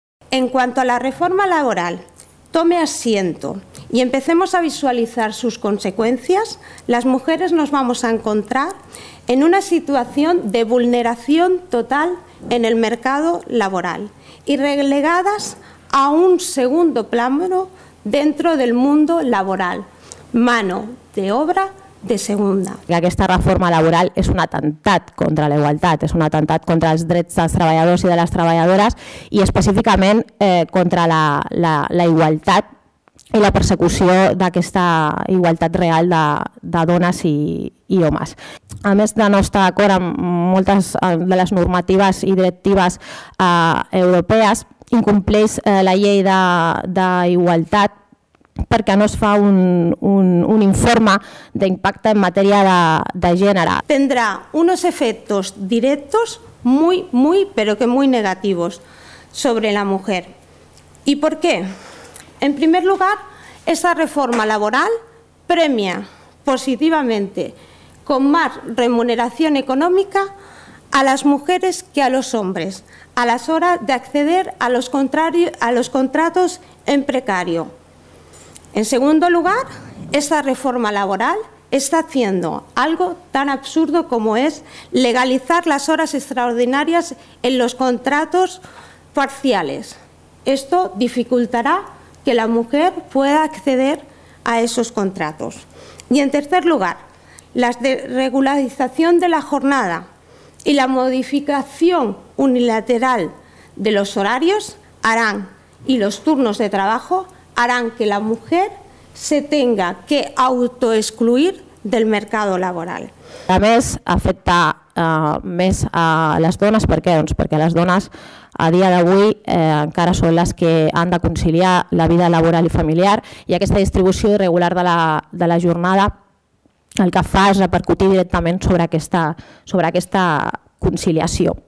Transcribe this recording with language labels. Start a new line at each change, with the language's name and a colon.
Spanish: en cuanto a la reforma laboral tome asiento y empecemos a visualizar sus consecuencias, las mujeres nos vamos a encontrar en una situación de vulneración total en el mercado laboral y relegadas a un segundo plano dentro del mundo laboral, mano de obra de segunda.
Catalan: I aquesta reforma laboral és un atemptat contra la igualtat, és un atemptat contra els drets dels treballadors i de les treballadores i específicament contra la igualtat i la persecució d'aquesta igualtat real de dones i homes. A més de no estar d'acord amb moltes de les normatives i directives europees, incompleix la llei d'igualtat perquè no es fa un informe d'impacte en matèria de gènere. Tendrà uns efectes directes molt, però que molt negatius sobre la dona. I per què? En primer lloc, aquesta reforma laboral premia positivament,
Spanish: con más remuneración económica, a las mujeres que a los hombres, a las horas de acceder a los contratos en precario. En segundo lugar, esta reforma laboral está haciendo algo tan absurdo como es legalizar las horas extraordinarias en los contratos parciales. Esto dificultará que la mujer pueda acceder a esos contratos. Y en tercer lugar, la desregularización de la jornada y la modificación unilateral de los horarios harán, y los turnos de trabajo harán, que la mujer se tenga que autoexcluir del mercado laboral.
Catalan: A més, afecta més a les dones. Per què? Doncs perquè les dones a dia d'avui encara són les que han de conciliar la vida laboral i familiar, i aquesta distribució irregular de la jornada el que fa és repercutir directament sobre aquesta conciliació.